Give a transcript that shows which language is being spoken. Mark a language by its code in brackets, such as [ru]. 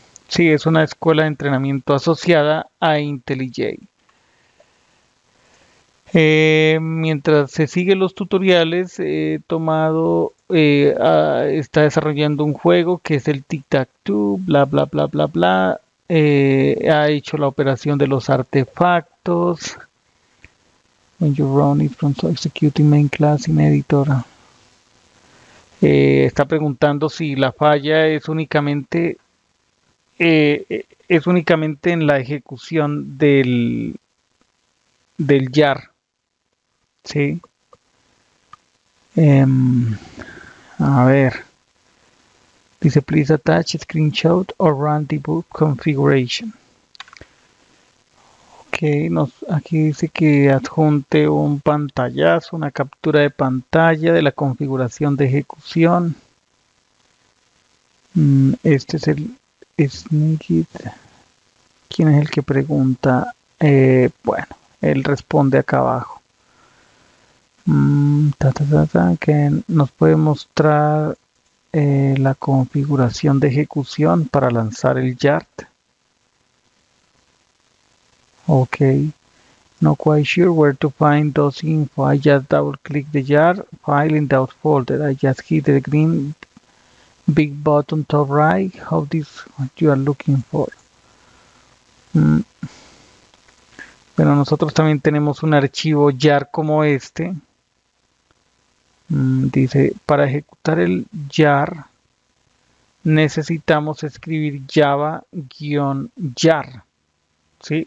[es] Sí, es una escuela de entrenamiento asociada a IntelliJ. Mientras se siguen los tutoriales, he tomado, está desarrollando un juego que es el Tic-Tac-Toe, bla, bla, bla, bla, bla. Ha hecho la operación de los artefactos. [en] When you run it from executing main class in editor. [es] Está preguntando si la falla es únicamente. Es únicamente en la ejecución del jar. ¿Sí? A ver. Dice, [en] please attach screenshot or run debug configuration. [es] Ok, aquí dice que adjunte un pantallazo, una captura de pantalla de la configuración de ejecución. Este es el Snicket, ¿quién es el que pregunta? Bueno, él responde acá abajo. Ta, ta, ta, ta, que nos puede mostrar la configuración de ejecución para lanzar el Yart. [en] Ok, no quite sure where to find those info. I just double click the Yart file in that folder. I just hit the green big button top right, how this what you are looking for. [es] Bueno, nosotros también tenemos un archivo jar como este. Dice, para ejecutar el jar necesitamos escribir java-jar. ¿Sí?